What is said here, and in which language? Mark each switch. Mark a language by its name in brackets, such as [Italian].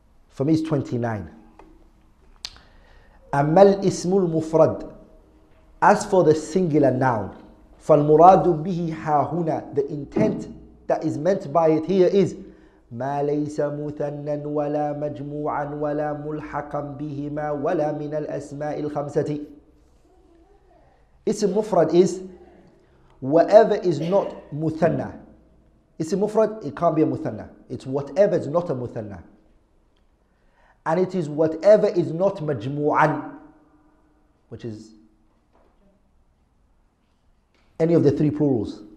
[English] For me it's 29. [Arabic] أما الاسم المفرد. [English] As for the singular noun, [Arabic] فالمراد به هاهنا. [English] The intent that is meant by it here [Arabic] is ما ليس مثنى ولا مجموعا ولا ملحقا بهما ولا من الأسماء الخمسة. [English] اسم مفرد is whatever is not مثنى. Ism mufrad, it can't be a muthanna. It's whatever is not a muthanna. And it is whatever is not majmu'an, which is any of the three plurals.